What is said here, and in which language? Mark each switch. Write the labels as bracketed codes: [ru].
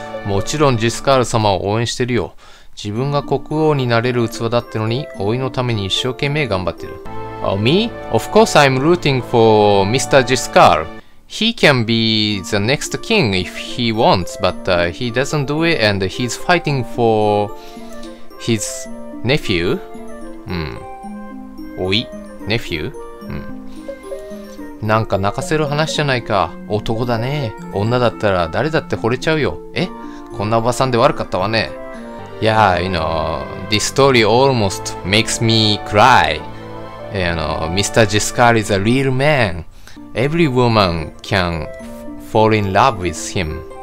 [ja] もちろんジスカール様を応援してるよ。自分が国王になれる器だってのに、老いのために一生懸命頑張ってる。 [en] Me? Of course I'm rooting for Mr. ジスカール。 He can be the next king if he wants, but he doesn't do it and he's fighting for his nephew. Oi, nephew? [ja] なんか泣かせる話じゃないか。男だね。女だったら誰だって惚れちゃうよ。え？こんなおばさんで悪かったわね。 [en] Yeah, you know, this story almost makes me cry. You know, Mr. Giscard is a real man. Every woman can fall in love with him.